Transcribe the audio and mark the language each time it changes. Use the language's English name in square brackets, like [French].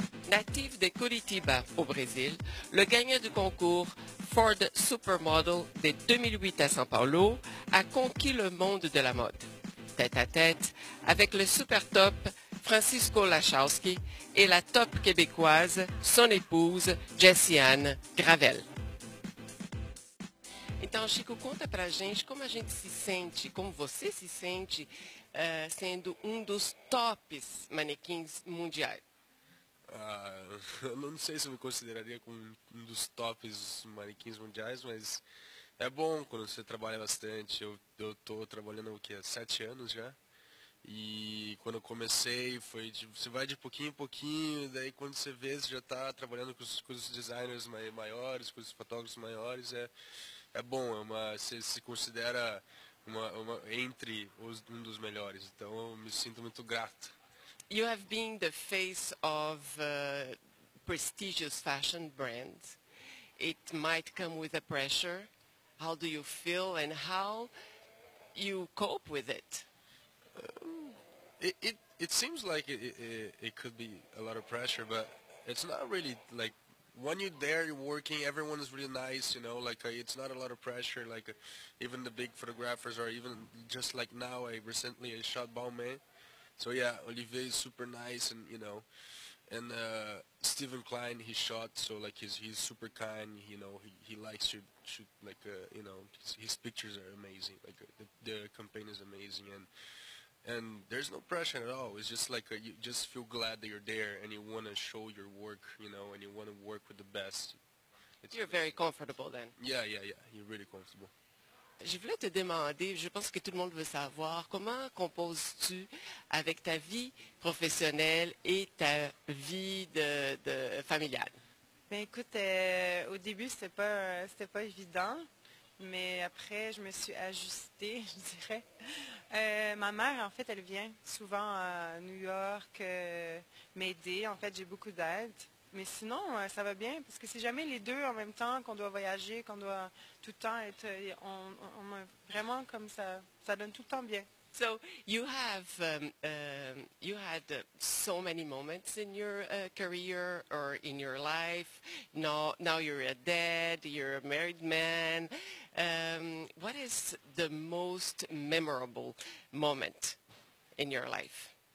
[French] natifs de Curitiba, au Brésil, le gagnant du concours Ford Supermodel de 2008 à São Paulo a conquis le monde de la mode, tête à tête avec le super top Francisco Lachowski et la top québécoise, son épouse, Jessiane Gravel. [Portuguese] Então, Chico, conta pra gente como a gente se sente, como você se sente sendo dos tops manequins mundiais. Eu não sei se eu me consideraria como dos tops manequins mundiais, mas é bom quando você trabalha bastante. Eu tô trabalhando o quê? 7 anos já. E quando eu comecei, foi de, você vai de pouquinho em pouquinho, daí quando você vê, você já está trabalhando com os designers maiores, com os fotógrafos maiores, é bom, é uma, você se considera uma, entre os, dos melhores, então eu me sinto muito grato. [English] You have been the face of a prestigious fashion brand. It might come with a pressure. How do you feel and how you cope with it? It seems like it could be a lot of pressure, but it's not really like when you're there, you're working, everyone is really nice, you know, like it's not a lot of pressure, like even the big photographers or even just like now, I recently shot Balmain. So yeah, Olivier is super nice and, you know, and Stephen Klein, he shot, so like he's super kind, you know, he likes to shoot, like, you know, his pictures are amazing, like the campaign is amazing. And And there's no pressure at all. It's just like you just feel glad that you're there and you want to show your work, you know, and you want to work with the best. You're very comfortable then. Yeah. You're really comfortable. [French] Je voulais te demander, je pense que tout le monde veut savoir, comment composes-tu avec ta vie professionnelle et ta vie de familiale? Ben écoute, au début, c'était pas évident. Mais après, je me suis ajustée, je dirais. Ma mère, en fait, elle vient souvent à New York m'aider. En fait, j'ai beaucoup d'aide. Mais sinon, ça va bien, parce que c'est jamais les deux en même temps qu'on doit voyager, qu'on doit tout le temps être... On vraiment, comme ça, ça donne tout le temps bien. [English] So, you have, you had so many moments in your career or in your life. Now you're a dad, you're a married man. What is the most memorable moment in your life?